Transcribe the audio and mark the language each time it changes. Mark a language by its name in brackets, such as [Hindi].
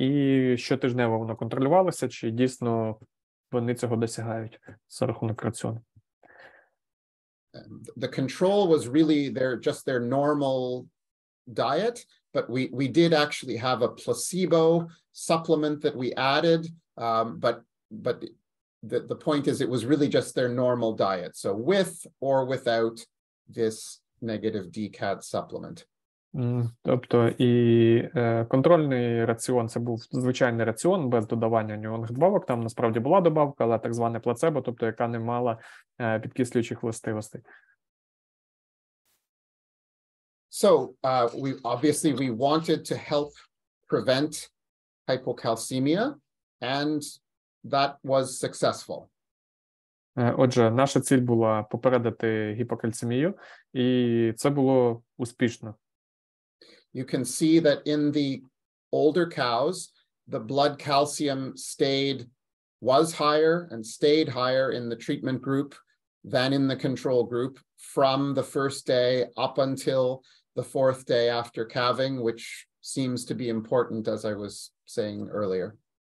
[Ukrainian] І щотижнево воно контролювалося, чи дійсно вони цього досягають за рахунок раціону. [English] The control was really their normal diet, but we did actually have a placebo supplement that we added, but the point is it was really just their normal diet, so with or without this negative DCAD supplement. [Ukrainian] Тобто і контрольний раціон це був звичайний раціон без додавання нюанг добавок, там насправді була добавка, але так зване плацебо, тобто яка не мала підкислюючих властивостей. [English] So we wanted to help prevent hypocalcemia, and that was successful. [Ukrainian] Отже, наша ціль була попередити гіпокальцемію, і це було успішно. [English] You can see that in the older cows, the blood calcium was higher and stayed higher in the treatment group than in the control group from the first day up until the fourth day after calving, which seems to be important, as I was saying earlier.